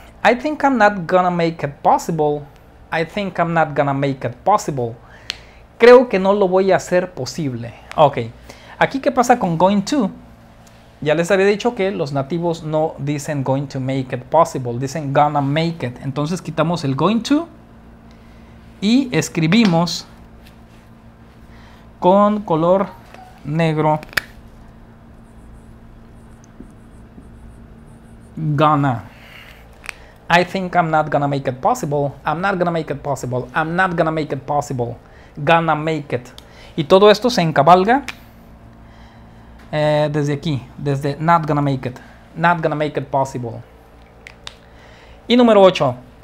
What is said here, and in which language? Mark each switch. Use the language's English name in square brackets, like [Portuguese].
[English] I think I'm not gonna make it possible. I think I'm not gonna make it possible. [Spanish] Creo que no lo voy a hacer posible. Ok. Aquí, ¿qué pasa con going to? Ya les había dicho que los nativos no dicen [English] going to make it possible. [Spanish] Dicen [English] gonna make it. [Spanish] Entonces quitamos el going to y escribimos con color negro gonna. [English] I think I'm not gonna make it possible. I'm not gonna make it possible. I'm not gonna make it possible. Gonna make it. [Spanish] Y todo esto se encabalga desde aquí, desde [English] not gonna make it. Not gonna make it possible. [Spanish] Y número 8.